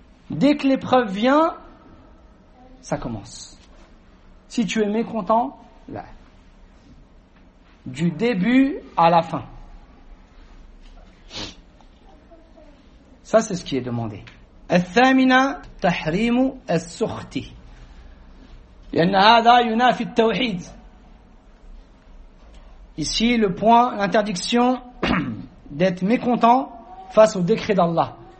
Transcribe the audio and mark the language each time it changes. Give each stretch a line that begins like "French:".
French: Dès que l'épreuve vient, ça commence. Si tu es mécontent, là, du début à la fin. Ça, c'est ce qui est demandé.
Arabic: الثامنه تحريم السخط لان هذا ينافي التوحيد.
French: Ici le point, l'interdiction d'être mécontent face au décret d'Allah.